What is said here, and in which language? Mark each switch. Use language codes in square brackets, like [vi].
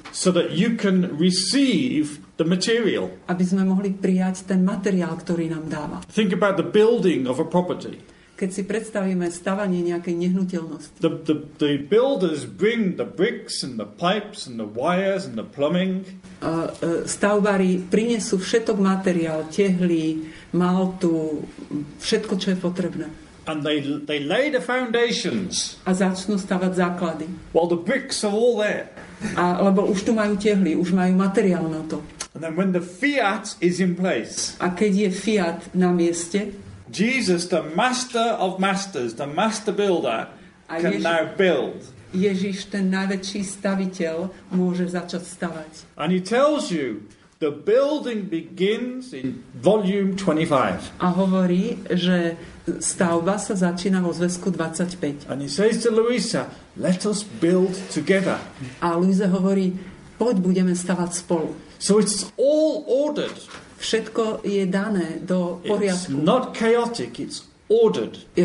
[en] So that you can receive the material. [sk] Aby sme mohli prijať ten materiál, ktorý nám dáva. [en] Think about the building of a property. [sk] Keď si predstavíme stavanie nejakej nehnuteľnosti. [en] The builders bring the bricks and the pipes and the wires and the plumbing. [sk] Stavbári prinesú všetok materiál, tehly, maltu, všetko, čo je potrebné. [en] And they lay the foundations. [sk] A začnú stavať základy. [en] While the bricks are all there. [sk] A lebo už tu majú tehly, už majú materiál na to. [en] And then when the fiat is in place. [sk] A keď je fiat na mieste. [en] Jesus, the master of masters, the master builder, can now build. [sk] Ježiš, ten najväčší staviteľ, môže začať stavať. [en] And he tells you, the building begins in volume 25. [sk] A hovorí, že stavba sa začína vo zväzku 25. [en] And he says to Luisa, let us build together. [sk] A Luisa hovorí, poď, budeme stavať spolu. [en] So it's all ordered. [sk] Všetko je dané do poriadku. [en] It's not chaotic, it's ordered.